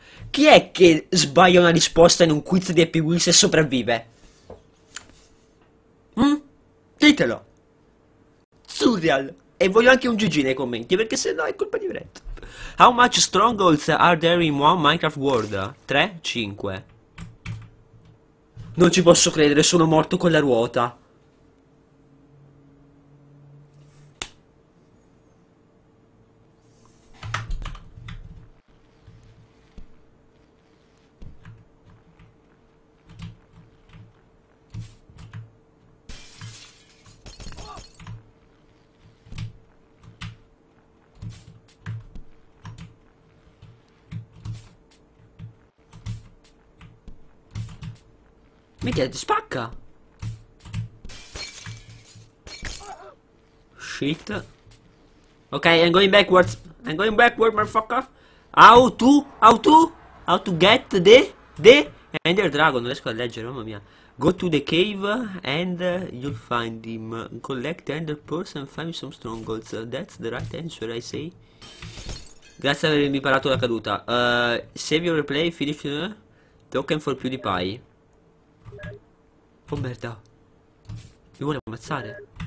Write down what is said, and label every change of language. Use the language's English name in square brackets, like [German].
[Italian] Chi è che sbaglia una risposta in un quiz di Happy Wheels e sopravvive? Ditelo! Surreal! E voglio anche un GG nei commenti, perché se no è colpa di Brett. [English] How much strongholds are there in one Minecraft world? 3? 5? [Italian] Non ci posso credere, sono morto con la ruota. Metti, ti spacca. [English] Shit. Ok, I'm going backwards. I'm going backwards, motherfucker. How to get the Ender Dragon. [Italian] Non riesco a leggere, mamma mia. [English] Go to the cave and you'll find him. Collect Ender Pearls and find some strongholds. That's the right answer, I say. [Italian] Grazie per avermi parato la caduta. [English] Save your replay, finish token for PewDiePie. [Italian] Oh merda. Mi vuole ammazzare.